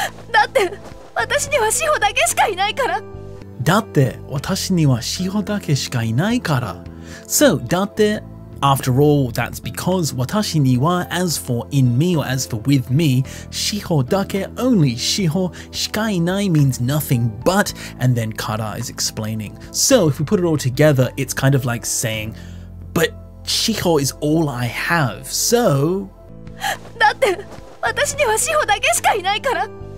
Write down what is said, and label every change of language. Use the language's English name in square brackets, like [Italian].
[Japanese] だって私には志保だけしかいないから。だって私には志保だけしかいないから。 [English] So, だって after all, that's because [Japanese] 私には [English] as for in me or as for with me, [Japanese] 志保だけ [English] only [Japanese] 志保しかいない [English] means nothing but, and then から is explaining. So, if we put it all together, it's kind of like saying, but 志保 is all I have, so... [Japanese] だって私には志保だけしかいないから。